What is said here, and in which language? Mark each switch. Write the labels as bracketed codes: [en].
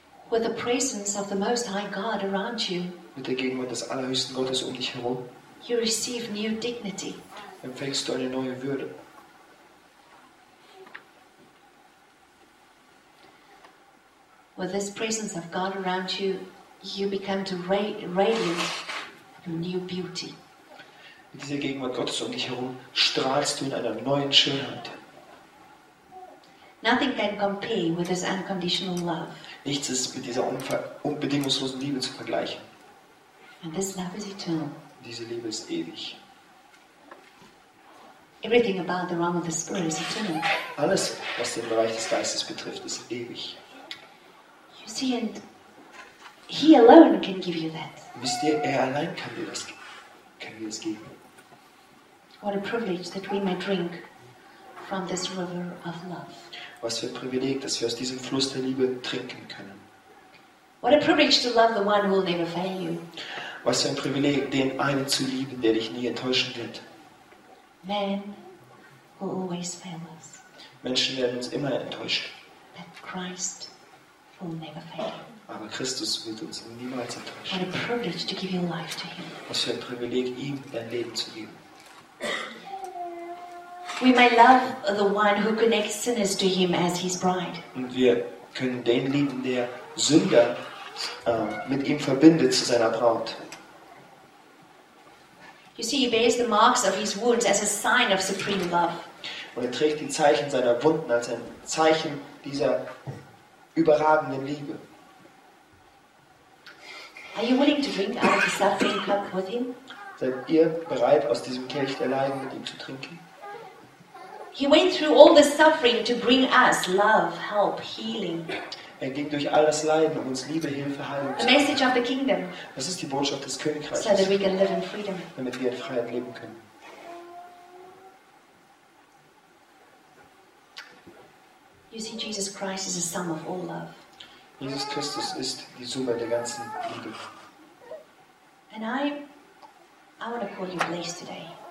[en] With the presence of the Most High God around you. [de] Mit der Gegenwart des Allerhöchsten Gottes um dich herum. [en] You receive new dignity. [de] Empfängst du eine neue Würde. [en] With this presence of God around you, you become to radiate new beauty. [de] Mit dieser Gegenwart Gottes um dich herum strahlst du in einer neuen Schönheit. [en] Nothing can compare with this unconditional love. [de] Nichts ist mit dieser unbedingungslosen Liebe zu vergleichen. [en] And this love is eternal. [de] Diese Liebe ist ewig. [en] Everything about the realm of the spirit is eternal. [de] Alles, was den Bereich des Geistes betrifft, ist ewig. [en] You see, and he alone can give you that. [de] Wisst ihr, er allein kann dir das, kann dir das geben. [en] What a privilege that we may drink from this river of love. [de] Was für ein Privileg, dass wir aus diesem Fluss der Liebe trinken können. [en] What a privilege to love the one who will never fail you. [de] Was für ein Privileg, den einen zu lieben, der dich nie enttäuschen wird. [en] Man will always fail us. [de] Menschen werden uns immer enttäuschen. [en] But Christ will never fail. [de] Aber Christus wird uns niemals enttäuschen. [en] What a privilege to give your life to him. [de] Was für ein Privileg, ihm dein Leben zu geben. [en] We may love the one who connects sinners to him as his bride. [de] Und wir können den lieben, der Sünder mit ihm verbindet zu seiner Braut. [en] You see, he bears the marks of his wounds as a sign of supreme love. [de] Und er trägt die Zeichen seiner Wunden als ein Zeichen dieser überragenden Liebe. [en] Are you willing to drink out of the suffering cup with him? [de] Seid ihr bereit, aus diesem Kelch der Leiden mit ihm zu trinken? [en] He went through all the suffering to bring us love, help, healing. [de] Er ging durch all das Leiden, um uns Liebe, Hilfe, Heilung zu geben. Das ist die Botschaft des Königreichs, [en] so that we can live in freedom. [de] Damit wir in Freiheit leben können. [en] You see, Jesus Christ is the sum of all love. [de] Jesus Christus ist die Summe der ganzen Liebe. [en] And I want to call you blessed today.